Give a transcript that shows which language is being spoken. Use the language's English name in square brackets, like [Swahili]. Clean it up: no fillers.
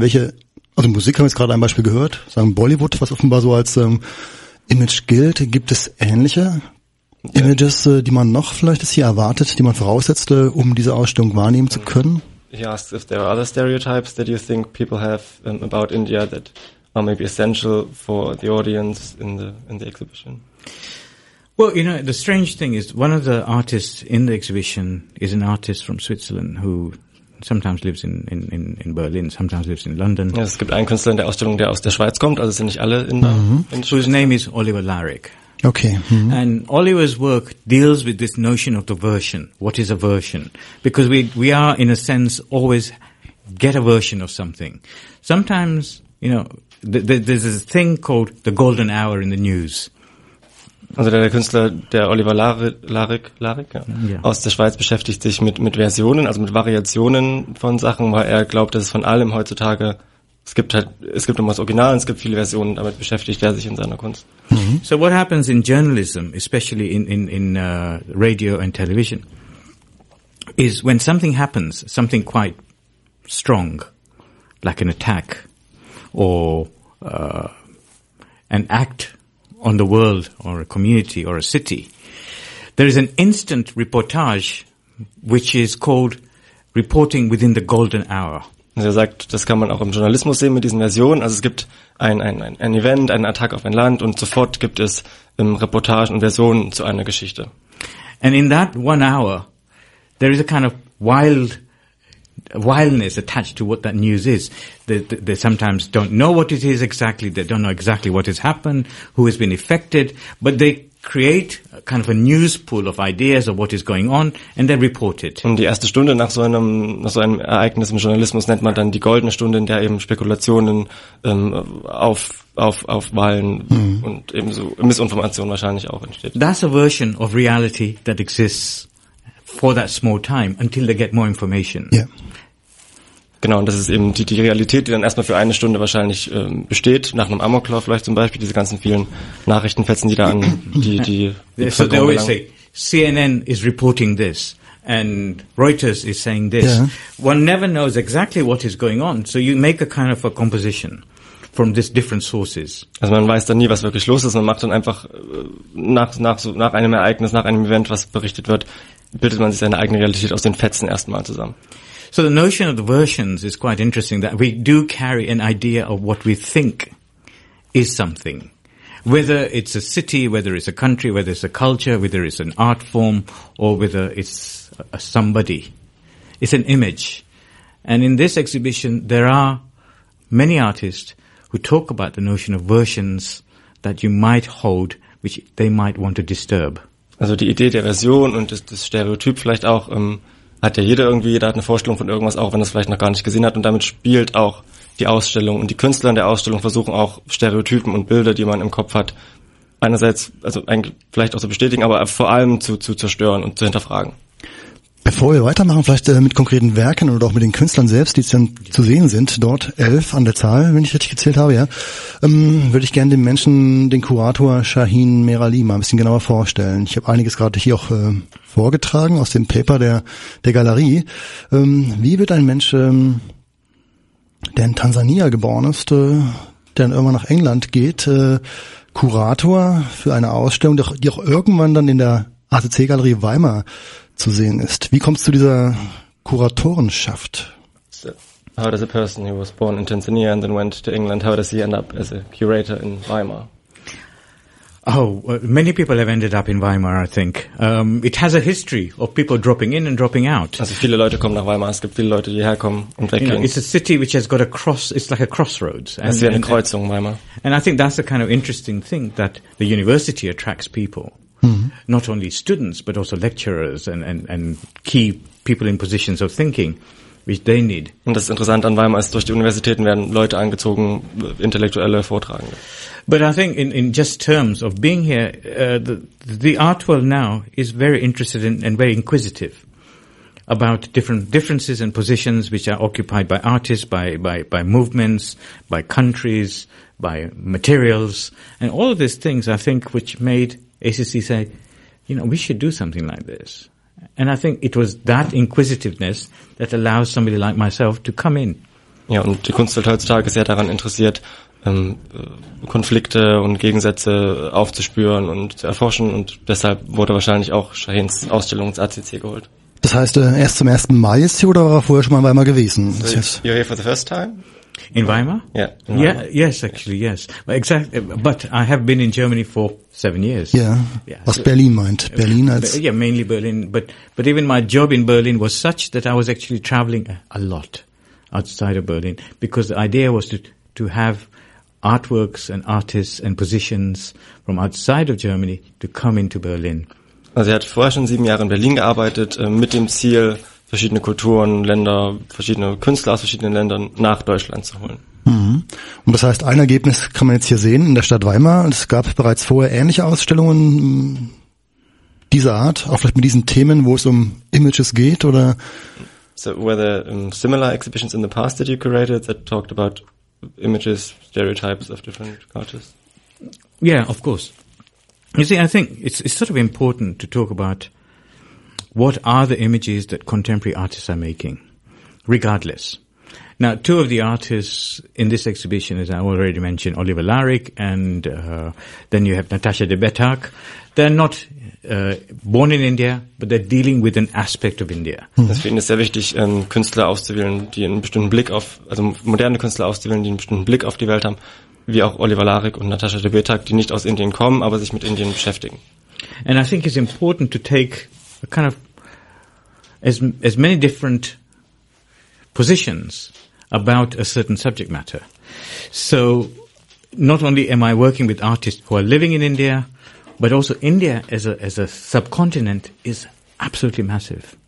[German] Welche, also Musik haben wir jetzt gerade ein Beispiel gehört, sagen Bollywood, was offenbar so als Image gilt. Gibt es ähnliche Images, die man noch vielleicht jetzt hier erwartet, die man voraussetzte, um diese Ausstellung wahrnehmen zu können? [English] He asks if there are other stereotypes that you think people have about India that are maybe essential for the audience in the exhibition. Well, you know, the strange thing is one of the artists in the exhibition is an artist from Switzerland who sometimes lives in Berlin, sometimes lives in London. [German] Ja, es gibt einen Künstler in der Ausstellung, der aus der Schweiz kommt, also sind nicht alle in der [English] So his name is Oliver Larik. Okay. Mm-hmm. And Oliver's work deals with this notion of the version. What is a version? Because we are, in a sense, always get a version of something. Sometimes, you know, there's a thing called the golden hour in the news. [German] Also der Künstler, der Oliver Larik, ja, yeah. Aus der Schweiz beschäftigt sich mit Versionen, also mit Variationen von Sachen, weil er glaubt, dass es von allem heutzutage, es gibt immer das Original, es gibt viele Versionen, damit beschäftigt er sich in seiner Kunst. Mm-hmm. [English] So what happens in journalism, especially in radio and television, is when something happens, something quite strong, like an attack or an act on the world or a community or a city, there is an instant reportage, which is called reporting within the golden hour. [German] Also er sagt, das kann man auch im Journalismus sehen mit diesen Versionen. Also es gibt ein Event, einen Attack auf ein Land und sofort gibt es Reportagen und Versionen zu einer Geschichte. [English] And in that one hour, there is a kind of wildness attached to what that news is. They sometimes don't know what it is exactly. They don't know exactly what has happened, who has been affected, but they create a kind of a news pool of ideas of what is going on, and they report it. [German] Und die erste Stunde nach so einem Ereignis im Journalismus nennt man dann die goldene Stunde, in der eben Spekulationen aufwallen und eben so Missinformation wahrscheinlich auch entsteht. [English] That's a version of reality that exists for that small time until they get more information. Yeah. [German] Genau, und das ist eben die Realität, die dann erstmal für eine Stunde wahrscheinlich besteht, nach einem Amoklauf vielleicht zum Beispiel, diese ganzen vielen Nachrichtenfetzen, die da an die [English] so they always say, CNN is reporting this, and Reuters is saying this. Yeah. One never knows exactly what is going on, so you make a kind of a composition from these different sources. [German] Also man weiß dann nie, was wirklich los ist, man macht dann einfach nach einem Ereignis, nach einem Event, was berichtet wird, bildet man sich seine eigene Realität aus den Fetzen erstmal zusammen. [English] So the notion of the versions is quite interesting, that we do carry an idea of what we think is something. Whether it's a city, whether it's a country, whether it's a culture, whether it's an art form, or whether it's a somebody. It's an image. And in this exhibition, there are many artists who talk about the notion of versions that you might hold, which they might want to disturb. [German] Also die Idee der Version und das Stereotyp vielleicht auch, hat ja jeder irgendwie, jeder hat eine Vorstellung von irgendwas, auch wenn er es vielleicht noch gar nicht gesehen hat. Und damit spielt auch die Ausstellung. Und die Künstler in der Ausstellung versuchen auch Stereotypen und Bilder, die man im Kopf hat, einerseits, also vielleicht auch zu bestätigen, aber vor allem zu zerstören und zu hinterfragen. Bevor wir weitermachen, vielleicht mit konkreten Werken oder auch mit den Künstlern selbst, die dann zu sehen sind, dort 11 an der Zahl, wenn ich richtig gezählt habe, ja, würde ich gerne den Menschen, den Kurator Shaheen Mirali mal ein bisschen genauer vorstellen. Ich habe einiges gerade hier auch vorgetragen aus dem Paper der Galerie. Wie wird ein Mensch, der in Tansania geboren ist, der dann irgendwann nach England geht, Kurator für eine Ausstellung, die auch irgendwann dann in der ACC-Galerie Weimar zu sehen ist. Wie kommst du zu dieser Kuratorenschaft? [English] So, how does a person who was born in Tanzania and then went to England, how does he end up as a curator in Weimar? Oh, many people have ended up in Weimar, I think. It has a history of people dropping in and dropping out. [German] Also viele Leute kommen nach Weimar, es gibt viele Leute, die herkommen und weggehen. [English] You know, it's a city which has got a cross, it's like a crossroads. [German] Es ist wie eine Kreuzung, Weimar. [English] And I think that's the kind of interesting thing, that the university attracts people. Mm-hmm. Not only students, but also lecturers and key people in positions of thinking, which they need. [German] Und das Interessante an Weimar ist, durch die Universitäten werden Leute angezogen, Intellektuelle, Vortragende. [English] But I think in just terms of being here, the art world now is very interested and very inquisitive about different differences and positions which are occupied by artists, by movements, by countries, by materials, and all of these things, I think, which made ACC say, you know, we should do something like this. And I think it was that inquisitiveness that allows somebody like myself to come in. [German] Ja, und die Kunstwelt heutzutage ist ja daran interessiert, Konflikte und Gegensätze aufzuspüren und zu erforschen. Und deshalb wurde wahrscheinlich auch Shaheens Ausstellung ins ACC geholt. Das heißt, er ist zum 1. Mai jetzt hier oder war er vorher schon mal in Weimar gewesen? [English] So you're here for the first time? In Weimar? Yeah. In Weimar. Yeah. Yes, actually, yes. But exactly. But I have been in Germany for 7 years. Yeah. Yeah. [German] Was so, Berlin meint? Berlin als? [English] Yeah, mainly Berlin. But even my job in Berlin was such that I was actually traveling a lot outside of Berlin, because the idea was to have artworks and artists and positions from outside of Germany to come into Berlin. [German] Also er hat vorher schon 7 Jahre in Berlin gearbeitet, mit dem Ziel, verschiedene Kulturen, Länder, verschiedene Künstler aus verschiedenen Ländern nach Deutschland zu holen. Mhm. Und das heißt, ein Ergebnis kann man jetzt hier sehen in der Stadt Weimar. Es gab bereits vorher ähnliche Ausstellungen dieser Art, auch vielleicht mit diesen Themen, wo es um Images geht, oder? [English] So, were there similar exhibitions in the past that you curated that talked about images, stereotypes of different cultures? Yeah, of course. You see, I think it's sort of important to talk about what are the images that contemporary artists are making, regardless. Now, two of the artists in this exhibition, as I already mentioned, Oliver Larik, and then you have Natasha de Betac. They're not born in India, but they're dealing with an aspect of India. [German] Das finde ich sehr wichtig, Künstler auszuwählen, die einen bestimmten Blick auf, also moderne Künstler auszuwählen, die einen bestimmten Blick auf die Welt haben, wie auch Oliver Larik und Natasha de Betac, die nicht aus Indien kommen, aber sich mit Indien beschäftigen. [English] And I think it's important to take a kind of as many different positions about a certain subject matter. So not only am I working with artists who are living in India, but also India as a subcontinent is absolutely massive.